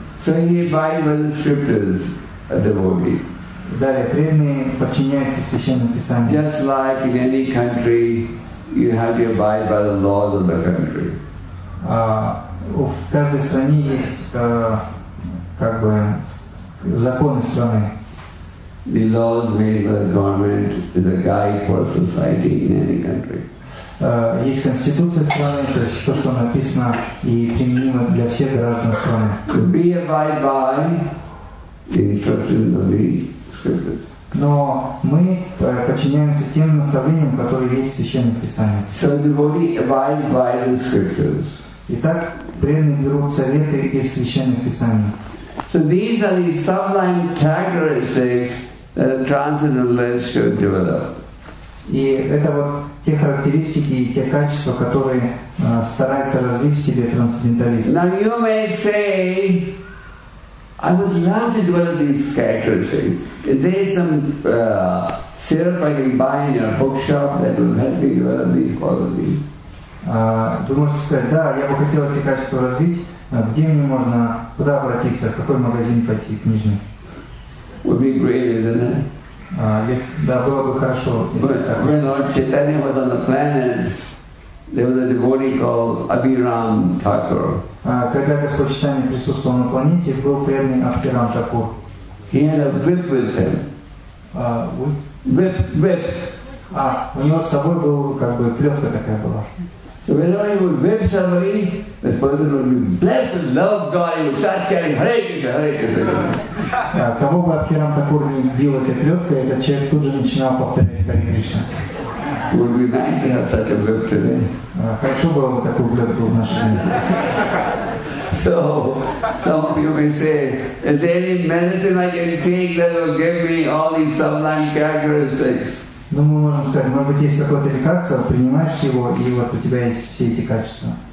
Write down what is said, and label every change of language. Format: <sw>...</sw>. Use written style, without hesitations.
<en>So he abides by the scriptures, a devotee.</en> <ru>Далее, преданные подчиняются священным писаниям.</ru> <en>Just like in any country, you have to abide by the laws of the country.</en> <ru>В каждой стране есть как бы законы страны.</ru> <en>The laws made by the government is a guide for society in any country.</en> <ru>Есть конституция страны, то есть то, что написано и применимо для всех граждан страны.</ru> <en>To be abide by the instructions of the scriptures.</en> <ru>Но мы подчиняемся тем наставлениям, которые есть в Священном Писании.</ru> <en>So devotee abides by the scriptures.</en> <ru>Итак, преданные берут советы из Священных Писаний.</ru> <en>So these are the sublime characteristics that a transcendentalist should develop.</en> <ru>И это вот те характеристики и те качества, которые стараются развить в себе трансценденталист.</ru> <en>Now you may say, I would love to develop these characteristics. Is there some syrup I can buy in your bookshop that will help me develop these qualities?</en> <ru>Вы можете сказать, да, я бы хотел эти качества развить. Где мне можно, куда обратиться, в какой магазин пойти, книжный?</ru> <en>Would be great, isn't it?</en> <ru>Да, было бы хорошо.</ru> <en>When Lord Chaitanya was on the planet, there was a devotee called Abhiram Thakur.</en> <ru>Когда Господь Чайтанья присутствовал на планете, был преданный Абхирам Такур.</ru> <en>He had a whip with him. Whip.</en> <ru>У него с собой был как бы плетка такая была.</ru> <en>So whenever he would whip somebody, the person would be blessed and love God, he would start chanting Hare Krishna, Hare Krishna.</en> <ru>Кого бы Абхирам Такур не бил этой плеткой, этот человек тут же начинал повторять Hare Krishna.</ru> <en>Would be nice to have such a whip today.</en> <ru>Хорошо было бы такую плетку в нашей жизни.</ru> <en>So, some of you may say, is there any medicine I can take that will give me all these sublime characteristics?</en> <ru>Ну, мы можем сказать, может быть, есть какое-то лекарство, принимаешь его, и вот у тебя есть все эти качества.</ru>